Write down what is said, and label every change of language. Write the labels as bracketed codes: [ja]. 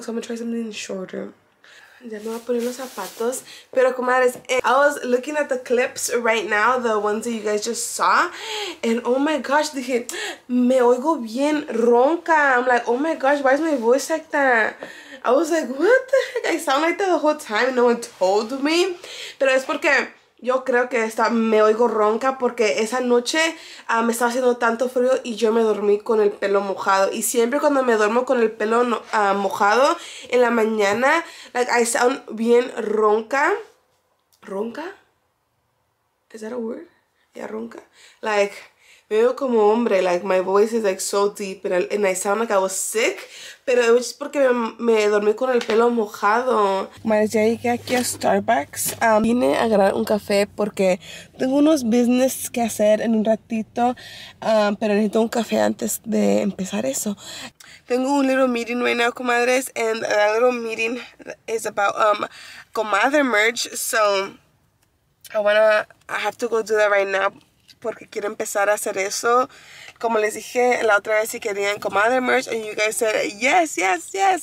[en] So I'm gonna try something shorter. [es] Ya me voy a poner los zapatos, pero comadres, [en] I was looking at the clips right now, the ones that you guys just saw, and oh my gosh, [es] dije, me oigo bien ronca. [en] I'm like, oh my gosh, why is my voice like that? I was like, what the heck? I sound like that the whole time and no one told me. [es] Pero es porque yo creo que esta me oigo ronca porque esa noche me estaba haciendo tanto frío y yo me dormí con el pelo mojado. Y siempre cuando me duermo con el pelo mojado en la mañana, [en] like I sound [es] bien ronca. [en] ¿Ronca? Is that a word? Yeah, ronca. Like, [es] me veo como hombre, [en] like my voice is like so deep and I sound like I was sick. [es] Pero es porque me dormí con el pelo mojado. Madre, ya llegué aquí a Starbucks. Vine a agarrar un café porque tengo unos business que hacer en un ratito. Pero necesito un café antes de empezar eso. Tengo un [en] little meeting right now, comadres. And that little meeting is about comadre merch. So I have to go do that right now. [es] Porque quiero empezar a hacer eso. Como les dije la otra vez, si querían comadre merch, [en] and you guys said yes, yes, [es] yes.